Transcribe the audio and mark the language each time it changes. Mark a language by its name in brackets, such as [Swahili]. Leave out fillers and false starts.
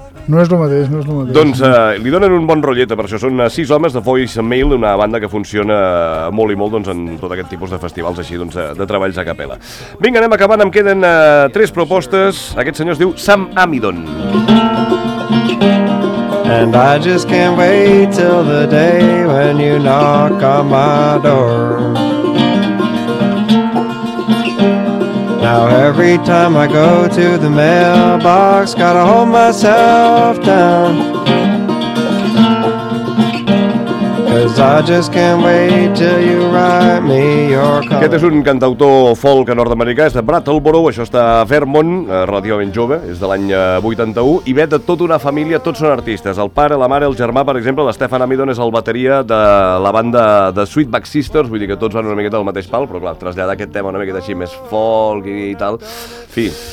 [Catalan] No és el mateix, no és el mateix. Doncs li donen un bon rotllet, per això són 6 homes de Voicemail, una banda que funciona molt i molt doncs, en tot aquest tipus de festivals així, doncs, de treballs a capella. Vinga, anem acabant, em queden 3 propostes. Aquest senyor es diu Sam Amidon. [English] And I just can't wait till the day when you knock on my door. Now every time I go to the mailbox, gotta hold myself down. 'Cause I just can't wait till you write me your card. [Catalan] Aquest és un cantautor folk nord-americà, és de Brattleboro, això està a Vermont, relativament jove, és de l'any 81, i ve de tota una família, tots són artistes. El pare, la mare, el germà, per exemple, l'Stefan Amidon és el bateria de la banda de Sweetback Sisters, vull dir que tots van una miqueta al mateix pal, però clar, traslladar aquest tema una miqueta així més folk i tal, fi.